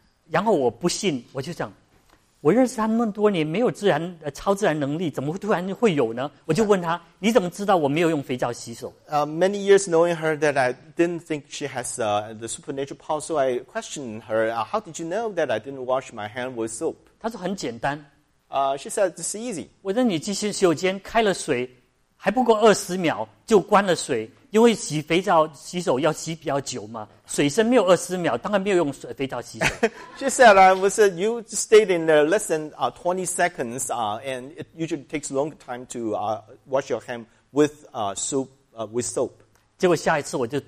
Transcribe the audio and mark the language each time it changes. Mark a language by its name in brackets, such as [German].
[Chinese] 然后我不信，我就想，我认识他那么多年，没有自然超自然能力，怎么突然会有呢？我就问他，你怎么知道我没有用肥皂洗手？ [English] Many years knowing her, that I didn't think she has the supernatural power, so I questioned her. How did you know that I didn't wash my hand with soap? [Chinese] 她说很简单。 [English] She said it's easy. [Chinese] 我在你洗手间开了水，还不过20秒就关了水。因为洗肥皂洗手要洗比较久嘛，水深没有20秒，当然没有用肥皂洗手。 [English] She said, "I was you stayed in there less than 20 seconds, and it usually takes long time to wash your hand with soap with soap."